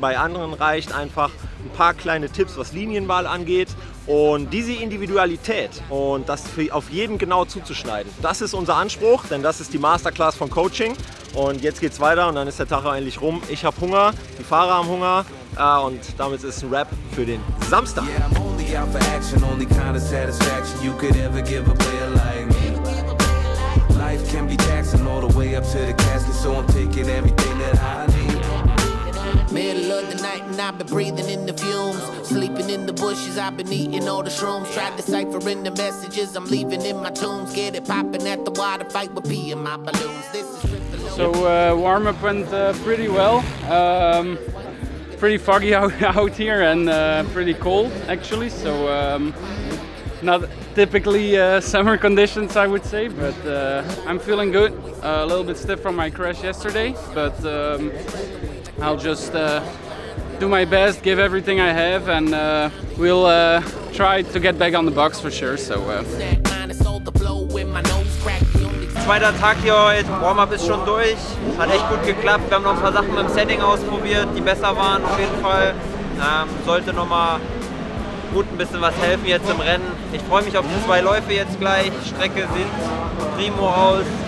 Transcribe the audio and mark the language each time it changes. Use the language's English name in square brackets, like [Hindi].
[German] Bei anderen reicht einfach ein paar kleine Tipps, was Linienwahl angeht. Und diese Individualität und das für auf jeden genau zuzuschneiden, das ist unser Anspruch, denn das ist die Masterclass von Coaching. Und jetzt geht's weiter und dann ist der Tag eigentlich rum. Ich habe Hunger, die Fahrer haben Hunger. Und damit ist ein Rap für den Samstag. [English] Yeah, I'm only out for action, only kind of satisfaction you could ever give a player like me. Life can be taxing all the way up to the casket, so I'm taking everything that I need. Middle of the night and I've been breathing in the fumes. Sleeping in the bushes, I've been eating all the shrooms. Tried deciphering the messages I'm leaving in my tombs. Get it popping at the water, fight with pee in my balloons. This is so warm-up went pretty well. Pretty foggy out here and pretty cold actually, so not typically summer conditions I would say, but I'm feeling good. A little bit stiff from my crash yesterday, but I'll just do my best, give everything I have, and we'll try to get back on the box for sure. So [German] Zweiter Tag hier heute, Warm-up ist schon durch, hat echt gut geklappt. Wir haben noch ein paar Sachen beim Setting ausprobiert, die besser waren auf jeden Fall. Sollte nochmal gut ein bisschen was helfen jetzt im Rennen. Ich freue mich auf die zwei Läufe jetzt gleich. Strecke sieht primo aus,